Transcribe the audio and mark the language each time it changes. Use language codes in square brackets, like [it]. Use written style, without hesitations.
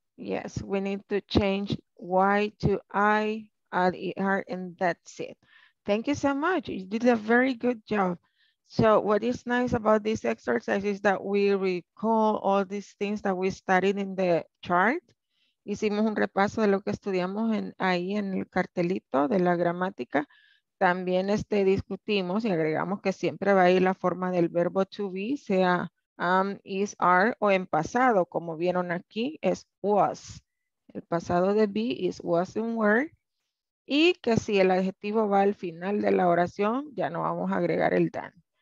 [en] We need to change Y to I, add ER, and that's it. Thank you so much. You did a very good job. So what is nice about this exercise is that we recall all these things that we studied in the chart. [es] Hicimos un repaso de lo que estudiamos en, ahí en el cartelito de la gramática. También este, discutimos y agregamos que siempre va a ir la forma del verbo to be, sea is, are, o en pasado, como vieron aquí, es was. El pasado de [en] be is was and were. [es] Y que si el adjetivo va al final de la oración, ya no vamos a agregar el done.